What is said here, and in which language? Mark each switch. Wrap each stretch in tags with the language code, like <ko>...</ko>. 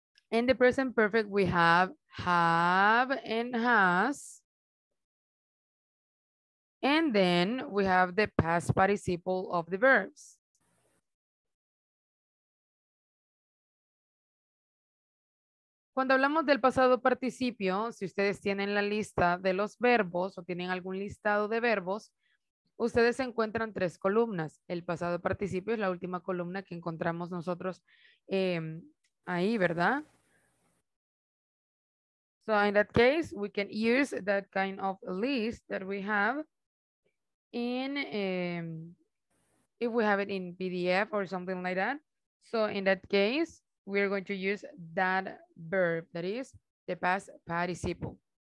<en>In the present perfect, we have and has. And then we have the past participle of the verbs.</en> <es>Cuando hablamos del pasado participio, si ustedes tienen la lista de los verbos o tienen algún listado de verbos, ustedes encuentran tres columnas. El pasado participio es la última columna que encontramos nosotros ahí, ¿verdad?</es> <en>So in that case, we can use that kind of list that we have in, if we have it in PDF or something like that. So in that case, we are going to use that verb, that is the past participle.</en>